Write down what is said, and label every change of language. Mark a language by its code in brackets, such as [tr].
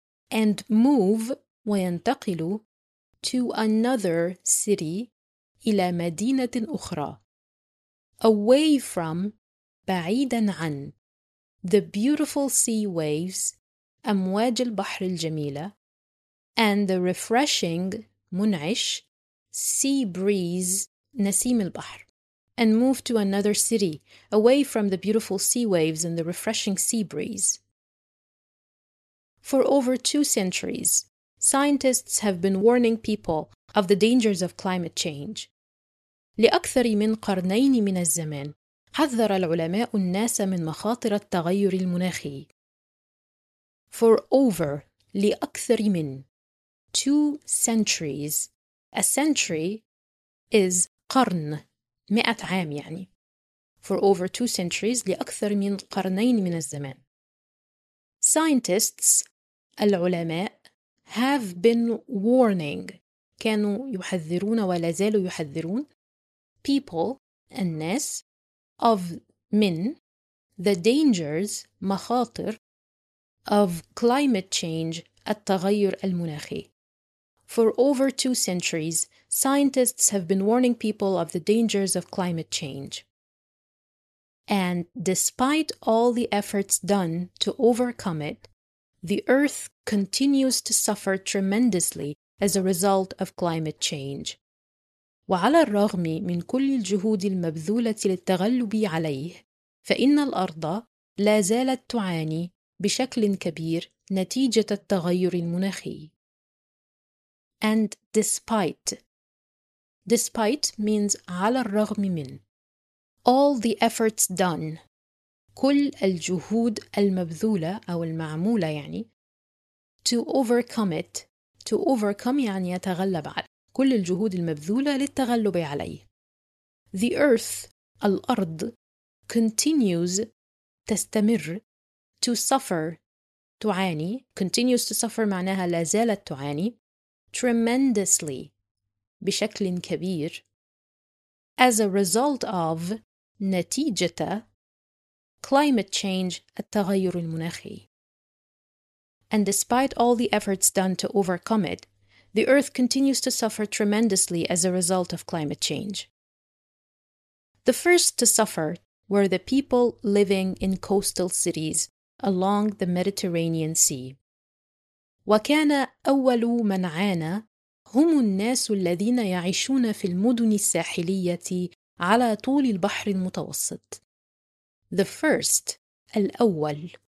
[en] And move [ar] وينتقل [en] to another city [ar] إلى مدينة أخرى. [en] Away from [ar] بعيداً عن [en] the beautiful sea waves [ar] أمواج البحر الجميلة [en] and the refreshing [ar] منعش [en] sea breeze [ar] نسيم البحر. [en] And move to another city, away from the beautiful sea waves and the refreshing sea breeze. For over two centuries, scientists have been warning people of the dangers of climate change. [ar] لأكثر من قرنين من الزمان، حذر العلماء الناس من مخاطر التغير المناخي. [en] For over, [ar] لأكثر من, [en] two centuries. A century is قرن. [ar] مئة عام يعني. [en] For over two centuries, [ar] لأكثر من قرنين من الزمان. [en] Scientists, [ar] العلماء, [en] have been warning. [ar] كانوا يحذرون ولا زالوا يحذرون. [en] People, [ar] الناس, [en] of [ar] من, [en] the dangers, [ar] مخاطر, [en] of climate change, [ar] التغير المناخي. [en] For over two centuries, scientists have been warning people of the dangers of climate change. And despite all the efforts done to overcome it, the Earth continues to suffer tremendously as a result of climate change. [ar] وعلى الرغم من كل الجهود المبذولة للتغلب عليه، فإن الأرض لا زالت تعاني بشكل كبير نتيجة التغير المناخي. [en] And despite means [ar] على الرغم من [en] all the efforts done [ar] كل الجهود المبذولة أو المعمولة يعني [en] to overcome it to overcome [ar] يعني يتغلب على كل الجهود المبذولة للتغلب عليه [en] the earth [ar] الأرض [en] continues [ar] تستمر [en] to suffer [ar] تعاني [en] continues to suffer [ar] معناها لا زالت تعاني [en] tremendously [ar] بشكل كبير [en] as a result of [ar] نتيجة [en] climate change [ar] التغير المناخي [en] and despite all the efforts done to overcome it the earth continues to suffer tremendously as a result of climate change the first to suffer were the people living in coastal cities along the Mediterranean Sea [ar] وكان أول من عانى هم الناس الذين يعيشون في المدن الساحلية على طول البحر المتوسط. [en] The first, [ar] الأول.